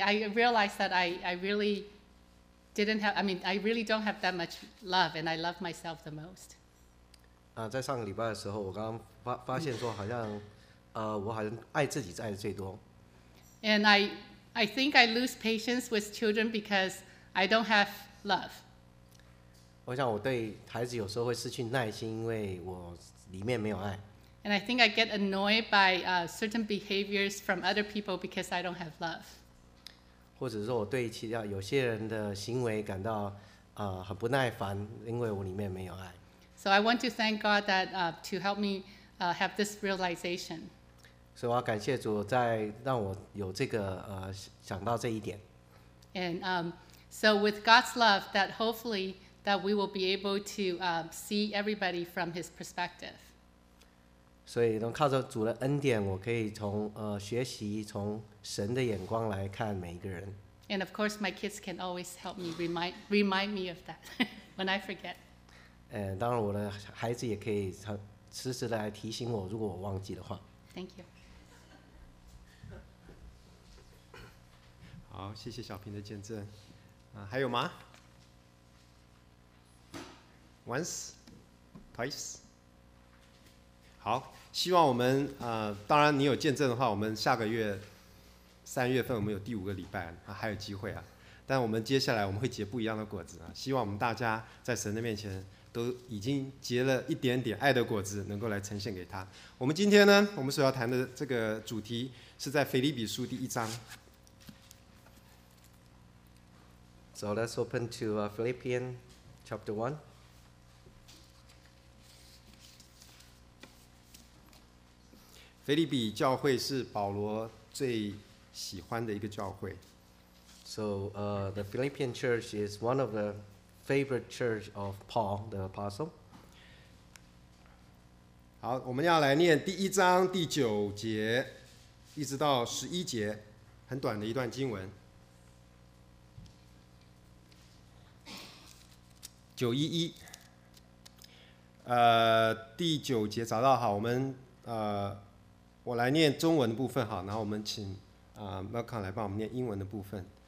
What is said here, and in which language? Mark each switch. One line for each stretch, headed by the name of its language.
English: I realized that I really don't have that much love, and I love myself the most.
Chinese: 在上个礼拜的时候，我刚刚发现说，好像，我好像爱自己爱的最多。
English: And I think I lose patience with children because I don't have love.
Chinese: 我想我对孩子有时候会失去耐心，因为我里面没有爱。
English: And I think I get annoyed by certain behaviors from other people because I don't have love.
Chinese: 或者说我对其他有些人的行为感到很不耐烦，因为我里面没有爱。
English: So I want to thank God that to help me have this realization.
Chinese: 所以我要感谢主，在让我有这个想到这一点。
English: And so with God's love, that hopefully that we will be able to see everybody from His perspective.
Chinese: 所以能靠着主的恩典，我可以从学习从神的眼光来看每一个人。
English: And of course, my kids can always help me remind me of that when I forget.
Chinese: 当然我的孩子也可以时时来提醒我，如果我忘记的话。
English: Thank you。
Chinese: 好，谢谢小平的见证。还有吗 ？
English: Once, twice。
Chinese: 好，希望我们当然你有见证的话，我们下个月三月份我们有第五个礼拜啊，还有机会啊。但我们接下来我们会结不一样的果子啊，希望我们大家在神的面前。都已经结了一点点爱的果子，能够来呈现给他。我们今天呢，我们所要谈的这个主题是在腓立比书第一章。
English: So let's open to Philippians chapter 1.
Chinese: 腓立比教会是保罗最喜欢的一个教会。
English: So the Philippian church is one of the favorite church of Paul the apostle.
Chinese: 好，我们要来念第一章第九节，一直到十一节，很短的一段经文。九一一，第九节找到好，我们我来念中文的部分好，然后我们请Malcolm 来帮我们念英文的部分。